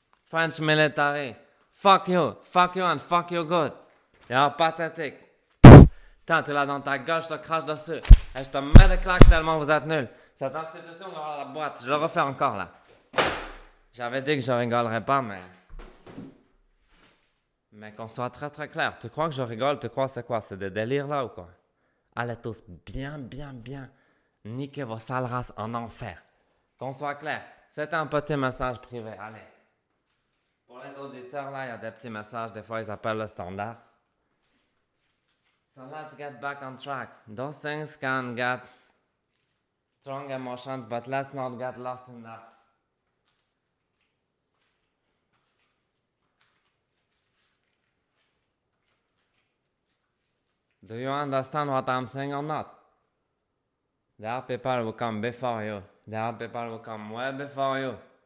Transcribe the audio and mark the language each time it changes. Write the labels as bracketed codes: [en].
[en] French military, fuck you and fuck you good. You're pathetic. [fr] Tiens, tu l'as dans ta gueule, je te crache dessus. Et je te mets des claques tellement vous êtes nuls. Cette institution dans la boîte, je le refais encore là. J'avais dit que je rigolerais pas, mais... Mais qu'on soit très très clair, tu crois que je rigole, tu crois c'est quoi, c'est des délires là ou quoi? Allez tous bien bien bien niquer vos sales races en enfer. Qu'on soit clair, c'était un petit message privé, allez. Pour les auditeurs, là, il y a des petits messages, des fois ils appellent le standard. [en] So let's get back on track. Those things can get strong emotions, but let's not get lost in that. Do you understand what I'm saying or not? There are people who come before you. There are people who come way before you.